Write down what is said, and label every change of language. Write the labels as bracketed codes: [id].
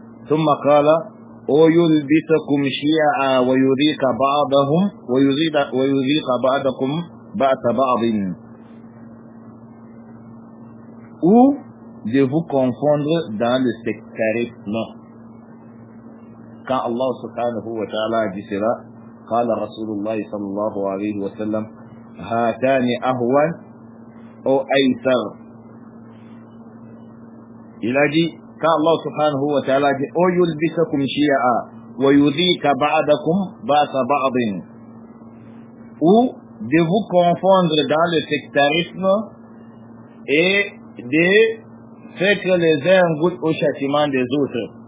[ar] Thumma qala ويلبسكم شيعا ويذيق بعضهم ويذيق بعضكم بعض بعض [fr] ou de vous confondre dans le sectarisme. Quand Allah subhanahu wa ta'ala a dit cela, [ar] قال رسول الله صلى الله عليه وسلم هاتان أهون أو أيسر. [fr] Il a dit quand Allah subhanahu wa ta'ala dit O [ar] yulbisakum shi'a wa yudhika ba'dakum ba'sa ba'din, [fr] ou de vous confondre dans le sectarisme et de faire que les uns goûtent au châtiment des autres.